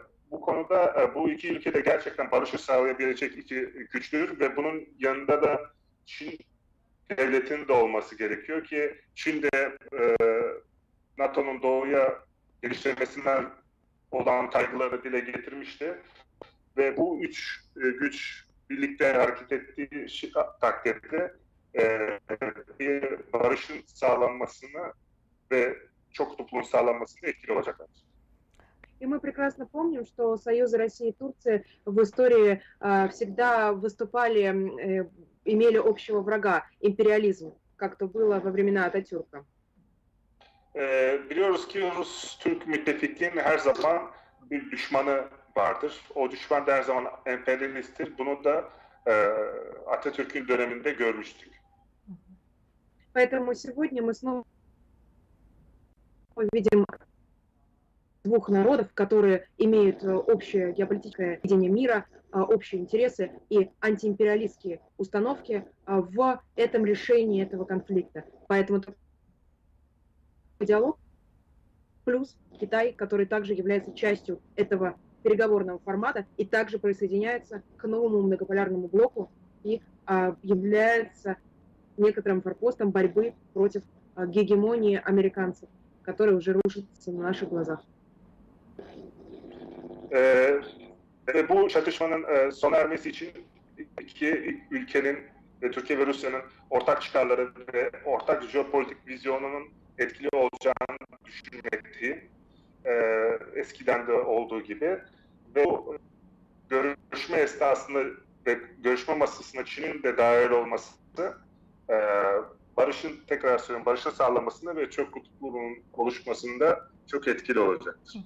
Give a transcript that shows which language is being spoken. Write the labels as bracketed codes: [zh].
[tr] Bu konuda bu iki ülkede gerçekten barışı sağlayabilecek iki güçtür ve bunun yanında da Çin devletinin de olması gerekiyor ki Çin de NATO'nun doğuya geliştirmesinden olan kaygıları dile getirmişti. Ve bu üç güç birlikte hareket ettiği takdirde bir barışın sağlanmasını ve çok kutupluğun sağlanmasını etkili olacaklar. [ru] И мы прекрасно помним, что союзы России и Турции в истории всегда выступали, имели общего врага, империализм, как то было во времена Ататюрка. [tr] Biliyoruz ki Rus-Türk müttefikliğinin her zaman bir düşmanı vardır. O düşman da her zaman emperyalisttir. Bunu da Atatürk'ün döneminde görmüştük. [ru] Поэтому сегодня мы снова видим двух народов, которые имеют общее геополитическое видение мира, общие интересы и антиимпериалистские установки в этом решении этого конфликта. Поэтому диалог плюс Китай, который также является частью этого переговорного формата и также присоединяется к новому многополярному блоку и является некоторым форпостом борьбы против гегемонии американцев, которая уже рушится на наших глазах. [tr] Bu çatışmanın sona ermesi için iki ülkenin, Türkiye ve Rusya'nın ortak çıkarları ve ortak jeopolitik vizyonunun etkili olacağını düşünmekteyim. Eskiden de olduğu gibi. Ve bu görüşme esnasında ve görüşme masasına Çin'in de dahil olması, barışın, tekrar söylüyorum, barışın sağlanmasında ve çok kutupluluğun oluşmasında çok etkili olacaktır.